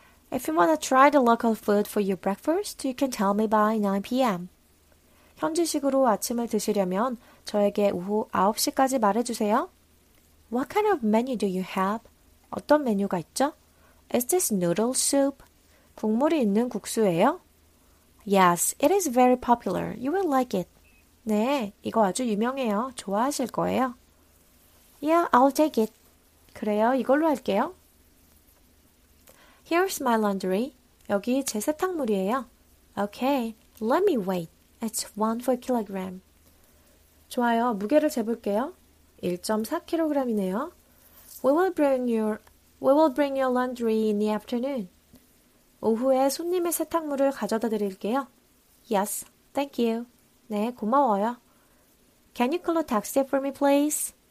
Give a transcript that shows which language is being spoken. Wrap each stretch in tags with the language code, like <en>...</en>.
<en>If you want to try the local food for your breakfast, you can tell me by 9 PM.</en> <ko>현지식으로 아침을 드시려면 저에게 오후 9시까지 말해주세요.</ko> <en>What kind of menu do you have?</en> <ko>어떤 메뉴가 있죠?</ko> <en>Is this noodle soup?</en> <ko>국물이 있는 국수예요?</ko> <en>Yes, it is very popular. You will like it.</en> <ko>네, 이거 아주 유명해요. 좋아하실 거예요.</ko> <en>Yeah, I'll take it.</en> <ko>그래요, 이걸로 할게요.</ko> <en>Here's my laundry.</en> <ko>여기 제 세탁물이에요.</ko> <en>Okay, let me wait. It's 1 kg.</en> <ko>좋아요, 무게를 재볼게요. 1.4kg이네요.</ko> <en>We will bring your laundry in the afternoon.</en> <ko>오후에 손님의 세탁물을 가져다 드릴게요.</ko> <en>Yes, thank you.</en> <ko>네, 고마워요.</ko> <en>Can you call a taxi for me, please?</en>